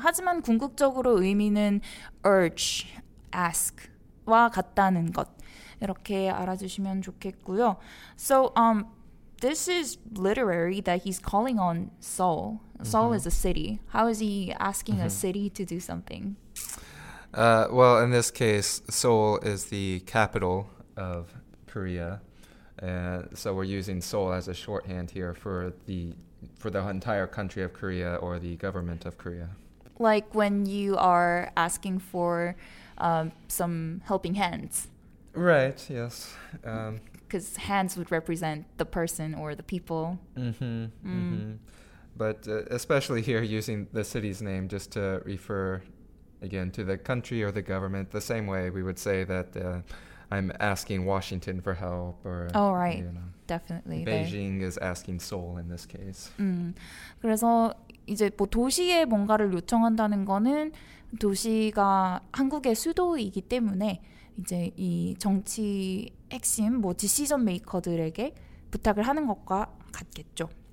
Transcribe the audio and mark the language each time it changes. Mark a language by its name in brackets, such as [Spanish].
[Korean] 하지만 궁극적으로 의미는 urge, ask와 같다는 것 이렇게 알아주시면 좋겠고요. [English] So this is literary that he's calling on Seoul. Seoul mm-hmm. is a city. How is he asking mm-hmm. a city to do something? Well, in this case, Seoul is the capital of Korea. So we're using Seoul as a shorthand here for the entire country of Korea or the government of Korea. Like when you are asking for some helping hands. Right, yes. Because hands would represent the person or the people. Mm-hmm, mm-hmm. But especially here, using the city's name just to refer, again, to the country or the government, the same way we would say that I'm asking Washington for help. Or, oh, right. You know, definitely. Beijing is asking Seoul in this case. [Korean] 그래서 이제 뭐 도시에 뭔가를 요청한다는 거는 도시가 한국의 수도이기 때문에 이제 이 정치 핵심, 뭐 디시전 메이커들에게 부탁을 하는 것과 같겠죠.